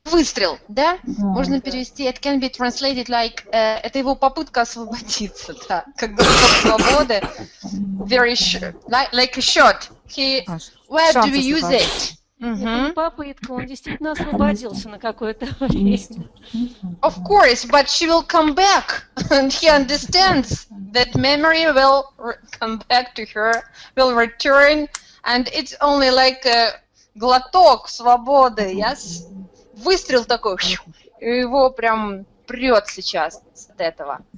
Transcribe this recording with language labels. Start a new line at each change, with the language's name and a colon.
Russian: Выстрел, да? Можно перевести.
English: It can be translated like
Russian: это его попытка освободиться, да. Как глоток свободы.
English: Very short. Like a shot. Where do we use it?
Russian: Это попытка, он действительно освободился на какое-то время.
English: Of course, but she will come back, and he understands that memory will come back to her, will return, and it's only like a
Russian: глоток свободы,
English: yes?
Russian: Выстрел такой, и его прям прет сейчас от этого.